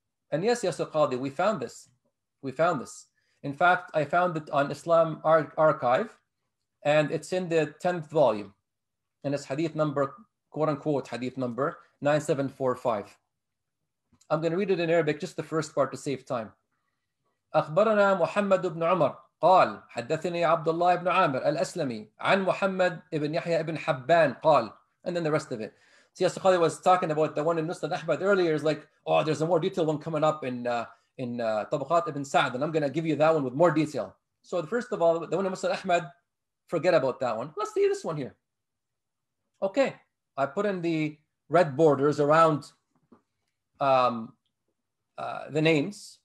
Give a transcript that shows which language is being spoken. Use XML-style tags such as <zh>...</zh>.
<en>And yes, Yasir Qadhi, we found this. We found this. In fact, I found it on Islam Archive, and it's in the 10th volume. And it's hadith number, quote-unquote, hadith number 9745. I'm going to read it in Arabic, just the first part to save time.</en> <ar>أخبرنا محمد بن عمر قال حدثني عبد الله بن عامر الأسلمي عن محمد بن يحيى بن حبان قال</ar> <en>and then the rest of it. So Yasir Qadhi was talking about the one in Musnad Ahmad earlier. Is like, oh, there's a more detailed one coming up in Tabaqat ibn Sa'd, and I'm going to give you that one with more detail. So first of all, the one of Mr. Ahmed, forget about that one. Let's see this one here. Okay, I put in the red borders around the names.</en>